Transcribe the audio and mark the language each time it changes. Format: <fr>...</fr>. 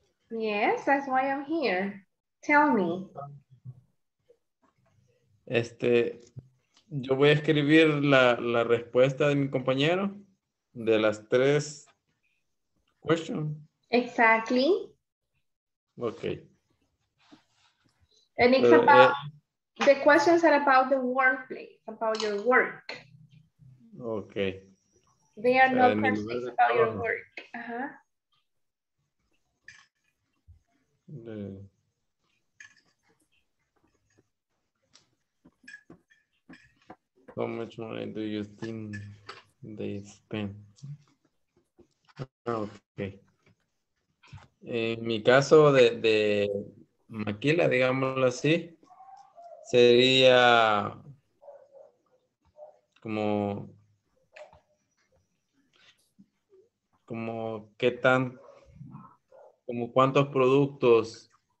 <en>Yes, that's why I'm here. Tell me.</en> <es>Yo voy a escribir la respuesta de mi compañero de las tres questions.</es> <en>Exactly. Okay. And it's the questions are about the workplace, about your work. Okay. They are not questions about your work. Uh-huh. How much money do you think they spend? Okay.</en> <es>En mi caso de maquila, digámoslo así, sería como qué tan, como cuántos productos.</es>